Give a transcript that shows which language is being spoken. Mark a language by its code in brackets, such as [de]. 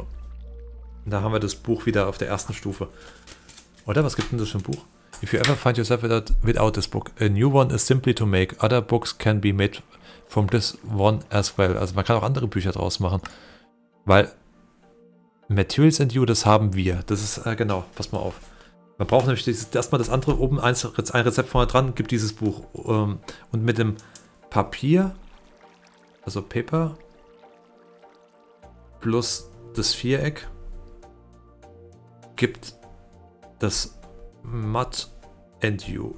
[de] Und da haben wir das Buch wieder auf der ersten Stufe. Oder was gibt denn das für ein Buch? [en] If you ever find yourself without this book, a new one is simply to make. Other books can be made from this one as well. [de] Also man kann auch andere Bücher draus machen. Weil Materials and You, das haben wir. Das ist, genau, pass mal auf. Man braucht nämlich erstmal das andere oben, ein Rezept vorne dran, gibt dieses Buch. Und mit dem Papier, also Paper, plus das Viereck, gibt das Mud and You.